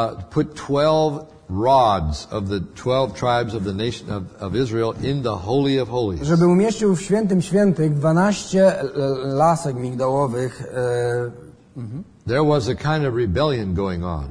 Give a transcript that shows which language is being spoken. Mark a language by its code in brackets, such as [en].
[en] put 12 rods of the 12 tribes of the nation of Israel in the Holy of Holies. [pl] Żeby umieścił w Świętym Świętych 12 lasek migdałowych. [en] There was a kind of rebellion going on.